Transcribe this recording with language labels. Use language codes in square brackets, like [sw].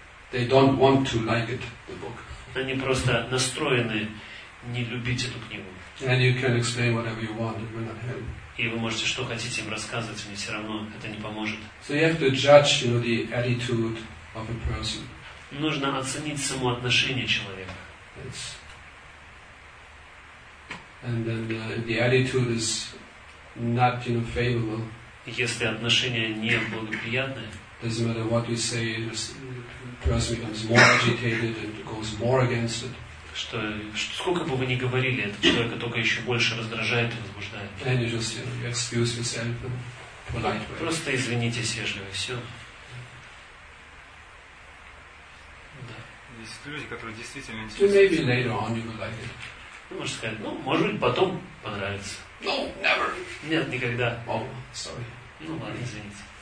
[en] They don't want to like it, the book. [ru] Они просто настроены не любить эту книгу. [en] And you can explain whatever you want, it will not help. [ru] И вы можете что хотите им рассказывать, мне все равно это не поможет. [en] So you have to judge, you know, the attitude of a person. [ru] Нужно оценить само отношение человека. [en] It's and then the attitude is not, you know, favorable. [ru] Если отношения не благоприятные, [en] doesn't matter what you say, the person becomes more agitated and goes more against it. [ru] Что сколько бы вы ни говорили, этот человек только еще больше раздражает и возбуждает. [en] And you just, you know, excuse yourself in polite way. [ru] Просто извинитесь вежливо, все. Да. Есть люди, которые действительно интересуются. [en] Maybe later on you will like it. [ru] Ну, можно сказать, ну, может быть, потом понравится. [en] No, never. [ru] Нет, никогда. [en] Oh, sorry. [ru] Ну, ладно, извините.